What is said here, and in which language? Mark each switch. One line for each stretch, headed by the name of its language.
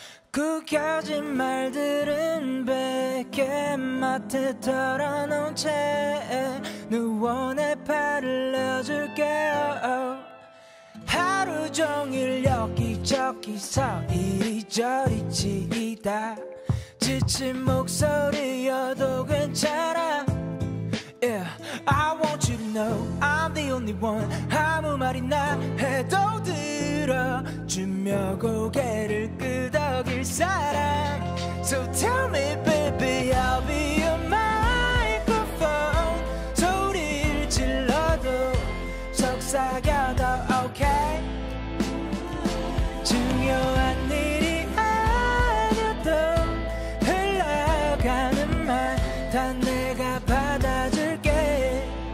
Korean: 구겨진 말들은 베개 마트 털어놓은 채 누워 내 팔을 내어줄게요. 하루 종일 여기저기서 이리저리 치이다 지친 목소리여도 괜찮아.
English: Yeah. I want you to know I'm the only one.
Korean: 아무 말이나 해도 들어주며 고개를 끄덕일 사람.
English: So tell me baby I'll be your microphone.
Korean: 소리를 질러도 속삭여도 okay. 중요한 일이 아니어도 흘러가는 말 다 내가 받아줄게.